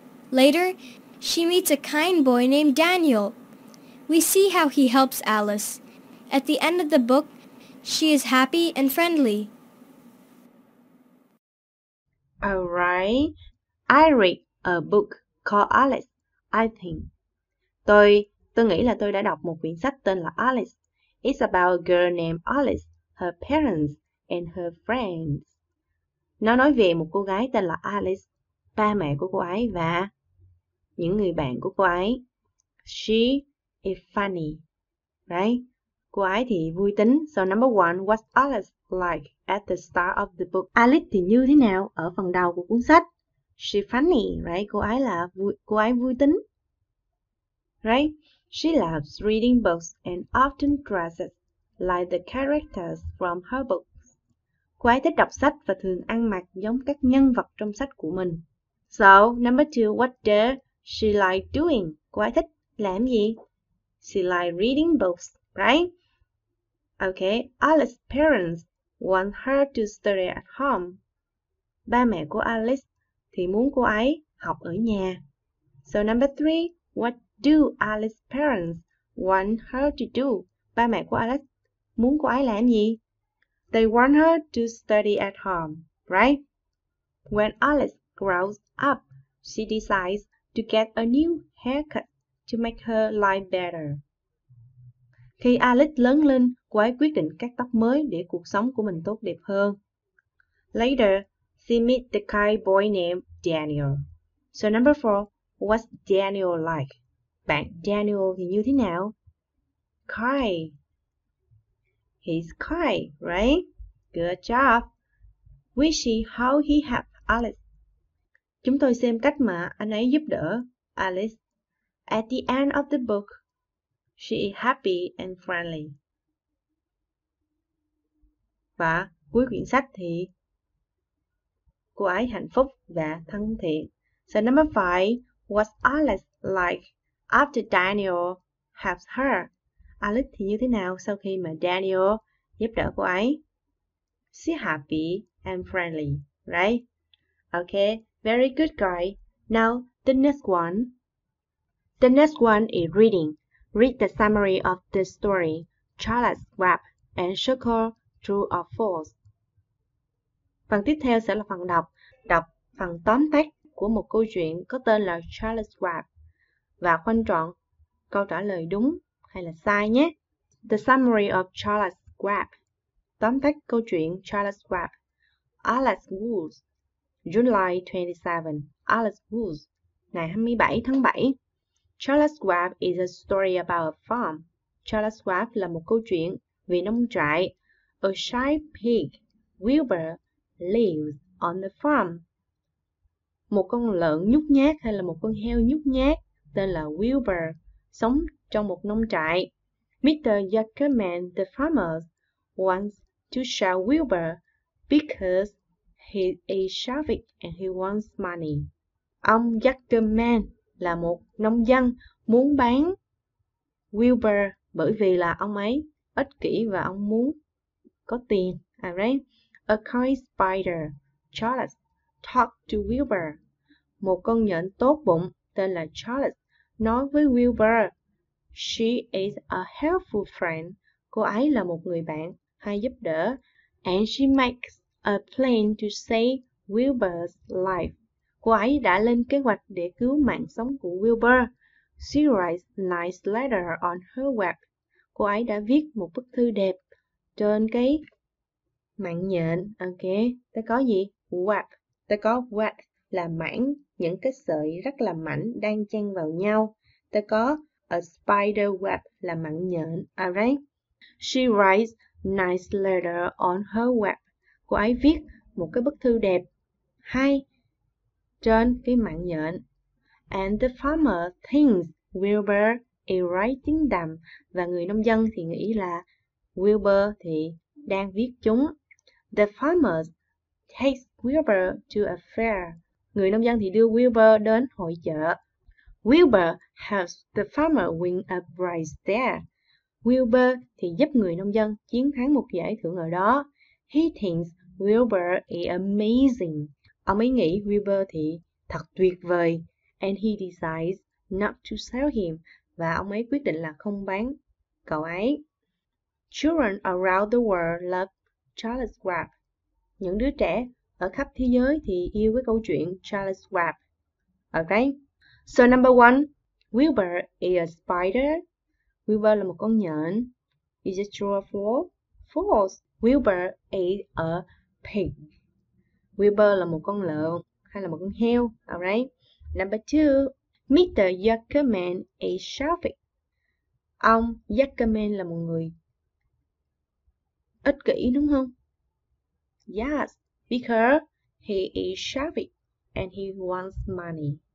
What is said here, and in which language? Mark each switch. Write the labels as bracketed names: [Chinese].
[English] Later, she meets a kind boy named Daniel. We see how he helps Alice. At the end of the book, she is happy and friendly. All right. I read a book called Alice, I think. [Vietnamese] Tôi nghĩ là tôi đã đọc một quyển sách tên là Alice. [English] It's about a girl named Alice, her parents and her friends. [Vietnamese] Nó nói về một cô gái tên là Alice, ba mẹ của cô ấy và những người bạn của cô ấy. [English] She is funny, right? [Vietnamese] Cô ấy thì vui tính. [English] So number one, what's Alice like at the start of the book? [Vietnamese] Alice thì như thế nào ở phần đầu của cuốn sách? [English] She funny, right? [Vietnamese] Cô ấy vui tính, [English] right? She loves reading books and often dresses like the characters from her book. [Vietnamese] Cô ấy thích đọc sách và thường ăn mặc giống các nhân vật trong sách của mình. [English] So, number two, what does she like doing? [Vietnamese] Cô ấy thích làm gì? [English] She likes reading books, right? Okay, Alice's parents want her to study at home. [Vietnamese] Ba mẹ của Alice thì muốn cô ấy học ở nhà. [English] So, number three, what do Alice's parents want her to do? [Vietnamese] Ba mẹ của Alice muốn cô ấy làm gì? [English] They want her to study at home, right? When Alice grows up, she decides to get a new haircut to make her life better. [Vietnamese] Khi Alice lớn lên, cô ấy quyết định cắt tóc mới để cuộc sống của mình tốt đẹp hơn. [English] Later, she meets the kind boy named Daniel. So number four, what's Daniel like? [Vietnamese] Bạn Daniel thì như thế nào? [English] Kind. He's kind, right? Good job. We see how he helps Alice. Chúng tôi xem cách mà anh ấy giúp đỡ Alice. At the end of the book, she is happy and friendly. Và cuối quyển sách thì cô ấy hạnh phúc và thân thiện. So number five, what's Alice like after Daniel helps her? Alice thì như thế nào sau khi mà Daniel giúp đỡ cô ấy? She's happy and friendly, right? Okay, very good, guy. Now, the next one. The next one is reading. Read the summary of the story, Charlotte's Web and Circle, True or False. [Vietnamese] Phần tiếp theo sẽ là phần đọc. Đọc phần tóm tắt của một câu chuyện có tên là Charlotte's Web và khoanh trọn câu trả lời đúng hay là sai nhé. [English] The summary of Charlotte's Web. [Vietnamese] Tóm tắt câu chuyện Charlotte's Web. [English] Alice Woods, July 27. [Vietnamese] Alice Woods, ngày 27 tháng 7. [English] Charlotte's Web is a story about a farm. [Vietnamese] Charlotte's Web là một câu chuyện về nông trại. [English] A shy pig, Wilbur, lives on the farm. [Vietnamese] Một con lợn nhút nhát hay là một con heo nhút nhát tên là Wilbur sống trong một nông trại. [English] Mr. Yuckerman, the farmer, wants to sell Wilbur because he is selfish and he wants money. [Vietnamese] Ông Yuckerman là một nông dân muốn bán Wilbur bởi vì là ông ấy ích kỷ và ông muốn có tiền. [English] Alright. A kind spider, Charlotte, talk to Wilbur. [Vietnamese] Một con nhện tốt bụng tên là Charlotte nói với Wilbur, [English] she is a helpful friend. [Vietnamese] Cô ấy là một người bạn hay giúp đỡ. [English] And she makes a plan to save Wilbur's life. [Vietnamese] Cô ấy đã lên kế hoạch để cứu mạng sống của Wilbur. [English] She writes nice letter on her web. [Vietnamese] Cô ấy đã viết một bức thư đẹp trên cái mạng nhện. Ok, ta có gì? Web. Ta có web là mảng, những cái sợi rất là mảnh đang chen vào nhau. Ta có [English] a spider web [Vietnamese] là mạng nhện. Alright. [English] She writes nice letter on her web. [Vietnamese] Cô ấy viết một cái bức thư đẹp hay trên cái mạng nhện. [English] And the farmer thinks Wilbur is writing them. [Vietnamese] Và người nông dân thì nghĩ là Wilbur thì đang viết chúng. [English] The farmer takes Wilbur to a fair. [Vietnamese] Người nông dân thì đưa Wilbur đến hội chợ. [English] Wilbur helps the farmer win a prize there. [Vietnamese] Wilbur thì giúp người nông dân chiến thắng một giải thưởng ở đó. [English] He thinks Wilbur is amazing. [Vietnamese] Ông ấy nghĩ Wilbur thì thật tuyệt vời. [English] And he decides not to sell him. [Vietnamese] Và ông ấy quyết định là không bán cậu ấy. [English] Children around the world love Charles Schwab. [Vietnamese] Những đứa trẻ ở khắp thế giới thì yêu cái câu chuyện Charles Schwab. [English] Ok. So number one, Wilbur is a spider. [Vietnamese] Wilbur là một con nhện. [English] Is it true or false? False. Wilbur is a pig. [Vietnamese] Wilbur là một con lợn hay là một con heo. [English] Alright. Number two, Mr. Yuckerman is selfish. [Vietnamese] Ông Yuckerman là một người ích kỷ đúng không? [English] Yes, because he is selfish and he wants money.